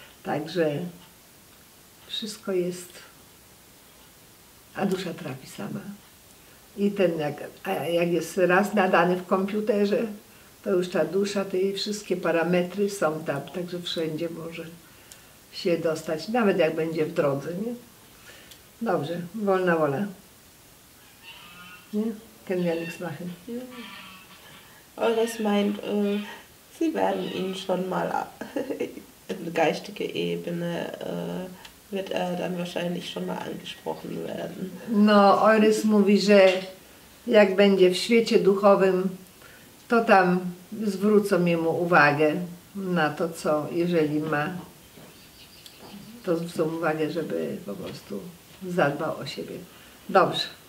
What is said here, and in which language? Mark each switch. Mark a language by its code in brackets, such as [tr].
[pl] Także wszystko jest, a dusza trafi sama. I ten jak jest raz nadany w komputerze, to już ta dusza, te jej wszystkie parametry są tam. Także wszędzie może się dostać, nawet jak będzie w drodze. Nie? Dobrze, wolna wola. Nie? [de] Können wir nichts machen. Euris meint, sie werden ihn schon mal in geistige Ebene, wird er dann wahrscheinlich schon mal angesprochen werden. [pl] No, Euris mówi, że jak będzie w świecie duchowym, to tam zwrócą jemu uwagę na to, co jeżeli ma, to zwrócą uwagę, żeby po prostu zadbał o siebie. Dobrze.